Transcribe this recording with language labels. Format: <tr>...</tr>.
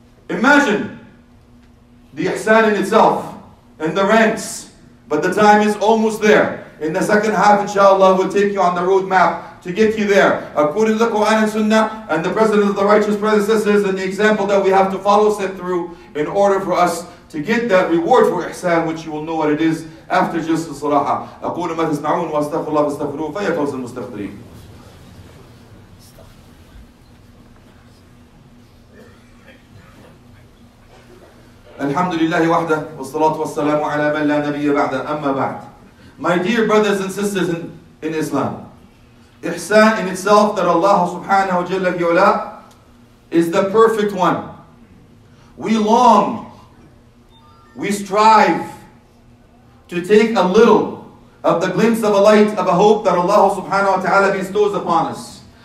<en>Imagine the ihsan in itself, in the ranks, but the time is almost there. In the second half, inshallah, we'll take you on the roadmap to get you there. According to the Quran and Sunnah and the precedent of the righteous predecessors and the example that we have to follow set through in order for us to get that reward for ihsan, which you will know what it is after just the salaha.</en> <ar>أقول ما تسمعون واستغفر الله واستغفروا فيا فوز المستغفرين. الحمد لله وحده والصلاة والسلام على من لا نبي بعده أما بعد.</ar> <en>My dear brothers and sisters in Islam, ihsan in itself that Allah subhanahu wa jalla fi ula is the perfect one. We long, we strive to take a little of the glimpse of a light, of a hope that Allah subhanahu wa ta'ala bestows upon us.</en>